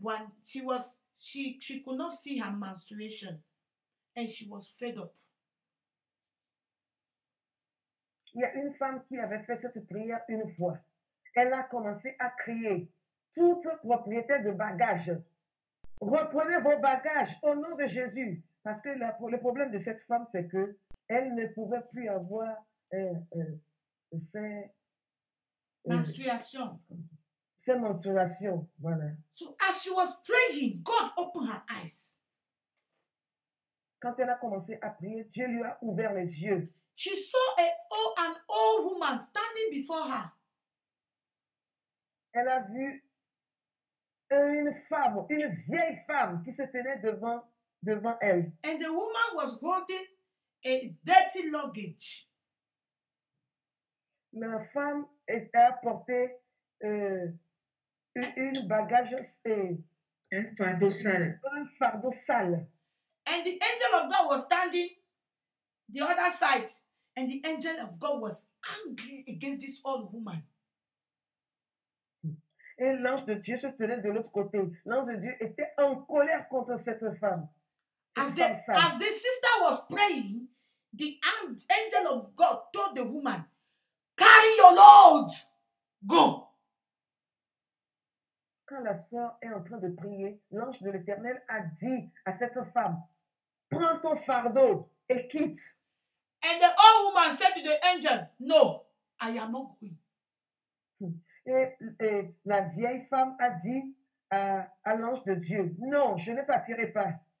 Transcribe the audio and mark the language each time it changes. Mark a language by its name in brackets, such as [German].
[English] When she could not see her menstruation, and she was fed up. [French] Il y a une femme qui avait fait cette prière une fois. Elle a commencé à crier. Toute propriété de bagages. Reprenez vos bagages au nom de Jésus. Parce que le problème de cette femme, c'est que elle ne pouvait plus avoir ses menstruations, voilà. [English] So as she was praying, God opened her eyes. [French] Quand elle a commencé à prier, Dieu lui a ouvert les yeux. [English] She saw an old woman standing before her. [French] Elle a vu une femme, une vieille femme qui se tenait devant elle. [English] And the woman was holding a dirty luggage. [French] La femme a porté une bagage et un fardeau sale. [English] And the angel of God was standing the other side, and the angel of God was angry against this old woman. [French] Et l'ange de Dieu se tenait de l'autre côté. L'ange de Dieu était en colère contre cette femme. [English] As the sister was praying, the angel of God told the woman, carry your load, go. [French] Quand la sœur est en train de prier, l'ange de l'Éternel a dit à cette femme, Prends ton fardeau et quitte. [English] And the old woman said to the angel, no, I am not going. [French] Et la vieille femme a dit à l'ange de Dieu, non, je ne partirai pas.